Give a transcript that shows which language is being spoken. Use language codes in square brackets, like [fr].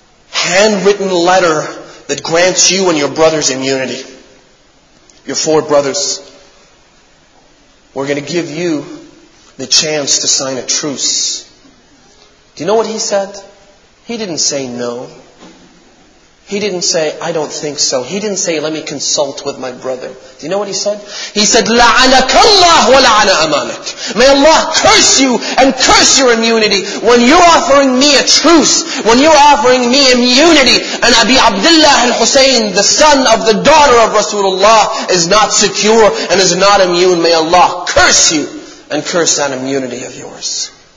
[en] handwritten letter that grants you and your brothers immunity. Your four brothers. We're going to give you the chance to sign a truce. Do you know what he said? He didn't say no. He didn't say, I don't think so. He didn't say, let me consult with my brother. Do you know what he said? He said, [ar] لَعَنَكَ اللَّهُ وَلَعَنَ أَمَانَكَ. [en] May Allah curse you and curse your immunity. When you're offering me a truce, when you're offering me immunity, and Abi Abdullah al-Husayn, the son of the daughter of Rasulullah, is not secure and is not immune, may Allah curse you and curse that immunity of yours.